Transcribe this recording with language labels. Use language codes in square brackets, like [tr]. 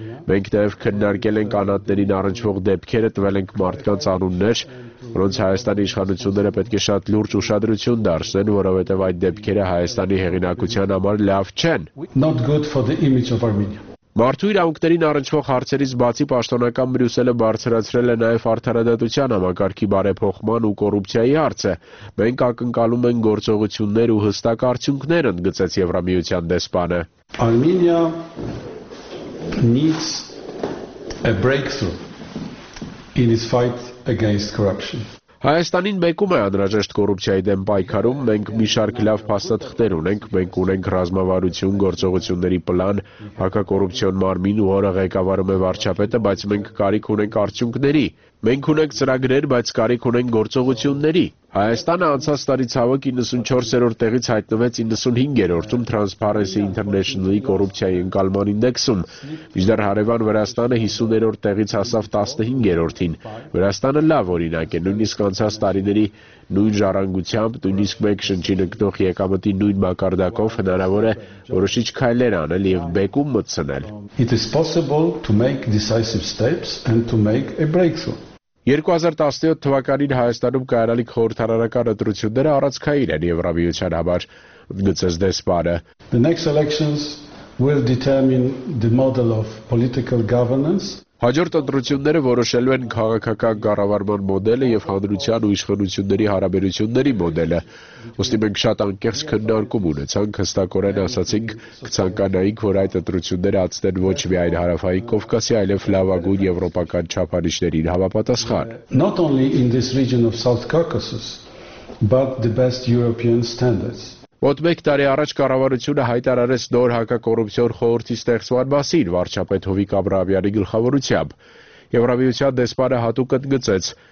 [hy] Մենք նաև քննարկել ենք անատներին առնչվող դեպքերը, տվել ենք մարդկանց անուններ, որոնց Հայաստանի իշխանությունները պետք է շատ լուրջ ուշադրություն դարձնեն, որովհետև այդ դեպքերը Հայաստանի հեղինակության համար լավ չեն։ Մարդու իրավունքներին առնչվող հարցերից բացի պաշտոնական Բրյուսելը բարձրացրել է նաև արդարադատության համակարգի բարեփոխման ու կոռուպցիայի հարցը։ Մենք ակնկալում ենք գործողություններ ու հստակ արդյունքներ, ընդգծեց Եվրամիության դեսպանը։ [en] Armenia needs a breakthrough in its fight against corruption. [hy] Հայաստանին մեկում է անհրաժեշտ կոռուպցիայի դեմ պայքարում, մենք մի շարք լավ փաստաթղթեր ունենք, մենք ունենք ռազմավարություն, գործողությունների պլան, հակակոռուպցիոն մարմին, որը ղեկավարում է վարչապետը, բայց մենք կարիք ունենք արդյունքների, մենք ունենք ծրագրեր, բայց կարիք ունենք գործողությունների։ Հայաստանը անցած տարի ցավը 94-րդ տեղից հայտնվեց 95-րդում Transparency International-ի կոռուպցիայի ընկալման ինդեքսում։ Միջդեռ Հարևան Վրաստանը 50-րդ տեղից հասավ 15-րդին։ Վրաստանը լավ օրինակ է, նույնիսկ անցած տարիների նույն ժառանգությամբ, նույնիսկ մեկ շնչի նկտող եկամտի նույն մակարդակով հնարավոր է որոշիչ քայլեր անել և բեկում մտցնել։ [en] It is possible to make decisive steps and to make a breakthrough. [hy] 2017 թվականին Հայաստանում կայարալիք խորհրդարանական ընտրությունները առածքային են Եվրամիության համար, գծեց դեսպանը։ [en] The next elections will determine the model of political governance. [hy] Հաջորդ ընտրությունները որոշելու են քաղաքական կառավարման մոդելը և հանրության ու իշխանությունների հարաբերությունների մոդելը։ Ուստի մենք շատ անկեղծ քննարկում ունեցանք, հստակորեն ասացինք, կցանկանայինք, որ այդ ընտրությունները անցնեն ոչ միայն Հարավային Կովկասի, այլև լավագույն եվրոպական չափանիշներին համապատասխան։ [en] Not only in this region of South Caucasus, but the best European standards. [hy] Ոտ մեկ տարի առաջ կառավարությունը հայտարարեց նոր հակակոռուպցիոն խորհրդի ստեղծման մասին վարչապետ Հովիկ Աբրահամյանի գլխավորությամբ։ Եվրամիության դեսպանը հատուկ ընդգծեց.